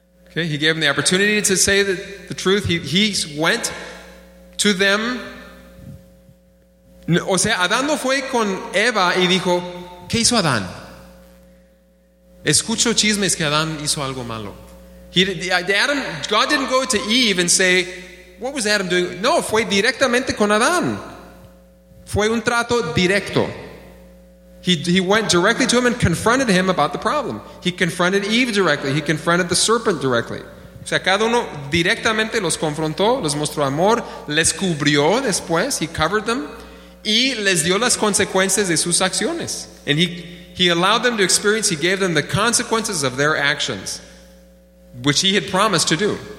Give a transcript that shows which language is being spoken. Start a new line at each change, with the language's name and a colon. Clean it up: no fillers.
English: Okay, he gave them the opportunity to say the truth. He went to them.
Spanish: O sea, Adán no fue con Eva y dijo, ¿qué hizo Adán? Escucho chismes que Adán hizo algo malo.
English: God didn't go to Eve and say, what was Adam doing?
Spanish: No, fue directamente con Adán. Fue un trato directo.
English: He went directly to him and confronted him about the problem. He confronted Eve directly. He confronted the serpent directly.
Spanish: O sea, cada uno directamente los confrontó, les mostró amor, les cubrió después,
English: he covered them,
Spanish: y les dio las consecuencias de sus acciones.
English: And he allowed them to experience, he gave them the consequences of their actions, which he had promised to do.